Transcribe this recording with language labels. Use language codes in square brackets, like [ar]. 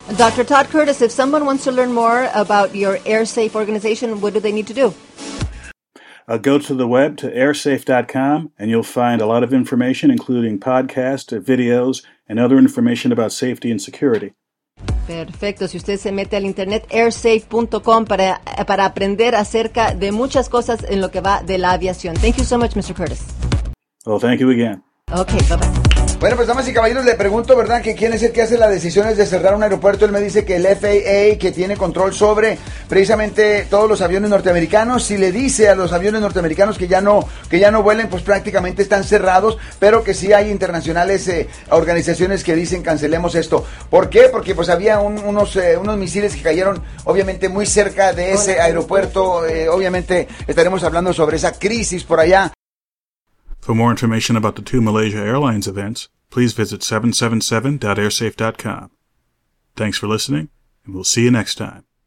[en] Dr. Todd Curtis, if someone wants to learn more about your AirSafe organization, what do they need to do? Go to the web to airsafe.com, and you'll find a lot of information, including podcasts, videos, and other information about safety and security. [es] Perfecto. Si usted se mete al internet, airsafe.com, para aprender acerca de muchas cosas en lo que va de la aviación. [en] Thank you so much, Mr. Curtis. Well, thank you again. Okay, bye-bye. [es] Bueno, pues, damas y caballeros, le pregunto, ¿verdad?, que quién es el que hace las decisiones de cerrar un aeropuerto. Él me dice que el FAA, que tiene control sobre precisamente todos los aviones norteamericanos, si le dice a los aviones norteamericanos que ya no vuelen, pues prácticamente están cerrados, pero que sí hay internacionales organizaciones que dicen cancelemos esto. ¿Por qué? Porque pues había unos misiles que cayeron, obviamente, muy cerca de ese aeropuerto. Obviamente, estaremos hablando sobre esa crisis por allá. [en] For more information about the two Malaysia Airlines events, please visit 777.airsafe.com. Thanks for listening, and we'll see you next time.